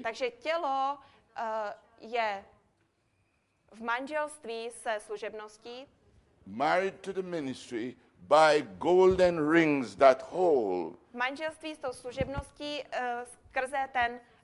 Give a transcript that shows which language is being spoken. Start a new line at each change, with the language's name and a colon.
Czech: Takže tělo je v manželství se služebností.
English: Married to the ministry by golden rings that hold.
Czech: Manželství s tou služebností skrze ten